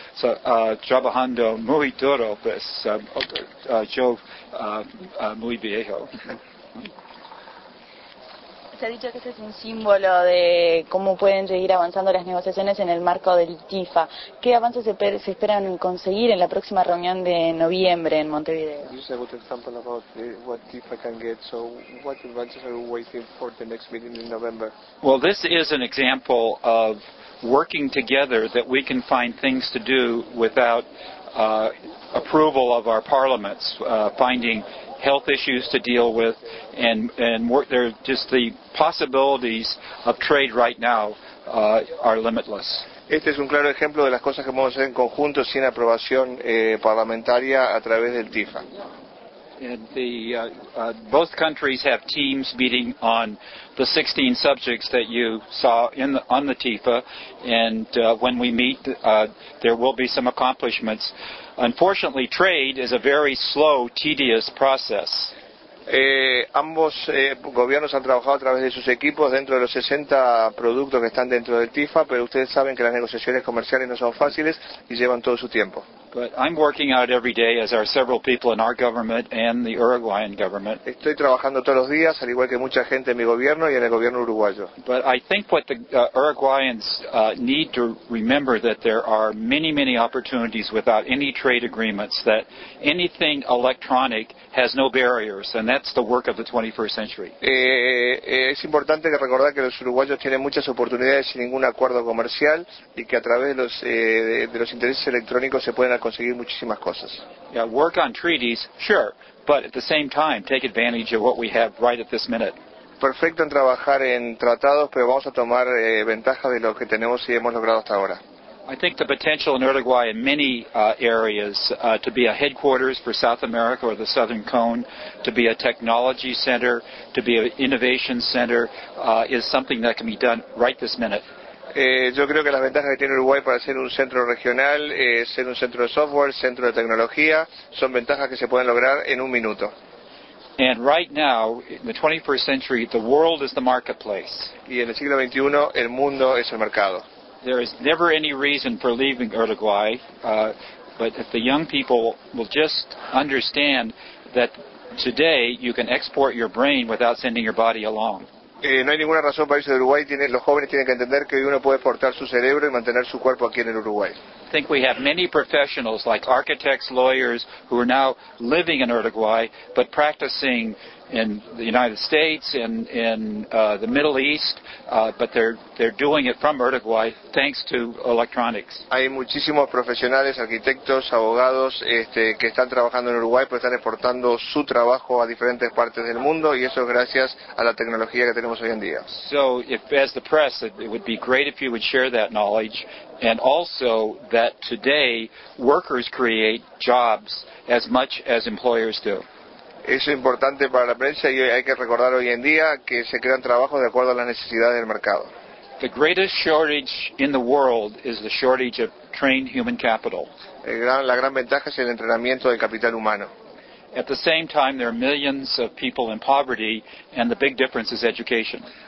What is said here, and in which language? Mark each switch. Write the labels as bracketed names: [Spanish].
[Spanish] So, trabajando muy duro, pues yo muy viejo. Se ha dicho que ese es un símbolo de cómo pueden seguir avanzando las negociaciones en el marco del TIFA. ¿Qué avances se esperan conseguir en la próxima reunión de noviembre en Montevideo? [English] You said with an example about what TIFA can get. So, what advances are you waiting for the next meeting in November? Well, this is an example of working together that we can find things to do without approval of our parliaments. Finding health issues to deal with, and work there, just the possibilities of trade right now are limitless. [Spanish] Este es un claro ejemplo de las cosas que podemos hacer en conjunto sin aprobación parlamentaria a través del TIFA. [English] And the both countries have teams meeting on the 16 subjects that you saw in the, on the TIFA, and when we meet, there will be some accomplishments. Unfortunately, trade is a very slow, tedious process. [Spanish] Ambos gobiernos han trabajado a través de sus equipos dentro de los 60 productos que están dentro del TIFA, pero ustedes saben que las negociaciones comerciales no son fáciles y llevan todo su tiempo. [English] But I'm working out every day, as are several people in our government and the Uruguayan government. [Spanish] Estoy trabajando todos los días, al igual que mucha gente en mi gobierno y en el gobierno uruguayo. [English] But I think what the Uruguayans need to remember that there are many, many opportunities without any trade agreements, that anything electronic has no barriers, and that's the work of the 21st century. [Spanish] Es importante que recordar que los uruguayos tienen muchas oportunidades sin ningún acuerdo comercial y que a través de los intereses electrónicos se pueden conseguir muchísimas cosas. [English] Yeah, work on treaties, sure, but at the same time, take advantage of what we have right at this minute. [Spanish] Perfecto en trabajar en tratados, pero vamos a tomar ventaja de lo que tenemos y hemos logrado hasta ahora. [English] I think the potential in Uruguay in many areas to be a headquarters for South America or the Southern Cone, to be a technology center, to be an innovation center, is something that can be done right this minute. [Spanish] Yo creo que las ventajas que tiene Uruguay para ser un centro regional, ser un centro de software, centro de tecnología, son ventajas que se pueden lograr en un minuto. [English] And right now, in the 21st century, the world is the marketplace. [Spanish] Y en el siglo XXI, el mundo es el mercado. [English] There is never any reason for leaving Uruguay, but if the young people will just understand that today you can export your brain without sending your body along. [Spanish] No hay ninguna razón para irse de Uruguay. Los jóvenes tienen que entender que uno puede exportar su cerebro y mantener su cuerpo aquí en el Uruguay. [English] Think we have many professionals like architects, lawyers, who are now living in Uruguay but practicing in the United States and in the Middle East, but they're doing it from Uruguay thanks to electronics. [Spanish] Hay muchísimos profesionales, arquitectos, abogados, que están trabajando en Uruguay, pero están exportando su trabajo a diferentes partes del mundo, y eso es gracias a la tecnología que tenemos hoy en día. [English] So, if, as the press, it would be great if you would share that knowledge. And also that today workers create jobs as much as employers do. [Spanish] Es importante para la prensa y hay que recordar hoy en día que se crean trabajos de acuerdo a las necesidades del mercado. [English] The greatest shortage in the world is the shortage of trained human capital. [Spanish] La gran ventaja es el entrenamiento del capital humano. [English] At the same time, there are millions of people in poverty, and the big difference is education.